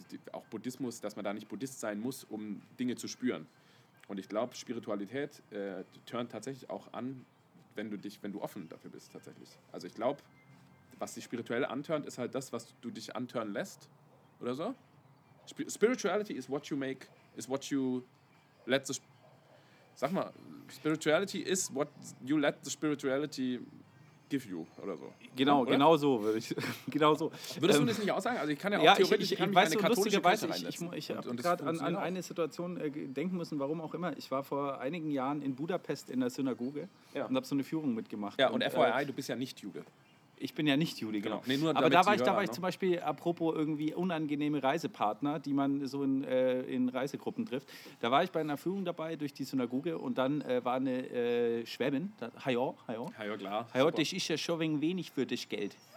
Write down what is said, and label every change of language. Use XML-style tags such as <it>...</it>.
<de>Auch Buddhismus, dass man da nicht Buddhist sein muss, um Dinge zu spüren. Und ich glaube, Spiritualität turnt tatsächlich auch an, wenn du offen dafür bist, tatsächlich. Also ich glaube, was dich spirituell anturnt, ist halt das, was du dich anturnen lässt, oder so.</de> <en>Spirituality is what you make, is what you let the... Spirituality is what you let the spirituality... give you</en> <de>oder so. Genau, oder? Genau so würde ich. Genau so. Würdest du das nicht aussagen? Also ich kann ja auch theoretisch in eine katholische Kirche reinsetzen. Ich habe gerade an eine Situation denken müssen, warum auch immer. Ich war vor einigen Jahren in Budapest in der Synagoge und habe so eine Führung mitgemacht. Ja, und FYI, du bist ja nicht Jude. Ich bin ja nicht Jude, genau. Nee, nur aber da war ich zum Beispiel, apropos irgendwie unangenehme Reisepartner, die man so in Reisegruppen trifft, da war ich bei einer Führung dabei durch die Synagoge und dann war eine Schwäbin, Hajo, das ist ja schon wegen wenig für dich Geld.</de>